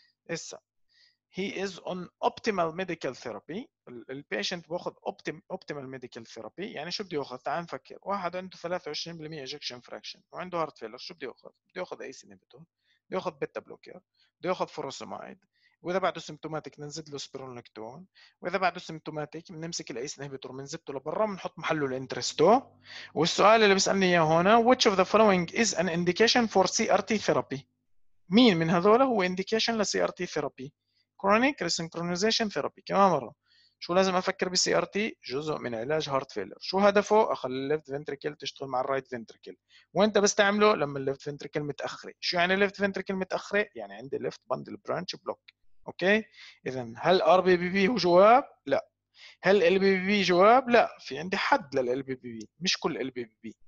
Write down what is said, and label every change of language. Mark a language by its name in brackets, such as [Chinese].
[English] هسه he is on optimal medical therapy. [Arabic] ال patient بياخذ optimal medical therapy. يعني شو بده ياخذ؟ تعال نفكر. واحد عنده 23% ejection fraction وعنده heart failure، شو بده ياخذ؟ بده ياخذ ACE inhibitor، بده ياخذ beta blocker، بده ياخذ furosemide، واذا بعده سيمتوماتيك بنزيد له سبيرولاكتون، واذا بعده سيمتوماتيك بنمسك الايس انهبيتور بنزبطه لبرا بنحط محله الانترستو. والسؤال اللي بيسالني اياه هنا which of the following is an indication for CRT therapy. مين من هذول هو indication ل CRT therapy؟ chronic resynchronization therapy. كمان مره شو لازم افكر بالسي ار تي؟ جزء من علاج هارت فيلر. شو هدفه؟ اخلي الليفت فنتريكل تشتغل مع الرايت فنتريكل. وانت بستعمله لما الليفت فنتريكل متاخره. شو يعني الليفت فنتريكل متاخره؟ يعني عندي ليفت باندل برانش بلوك. اوكي اذا هل ار بي بي بي هو جواب؟ لا. هل ال بي بي بي جواب؟ لا. في عندي حد للال بي بي بي، مش كل ال بي بي بي.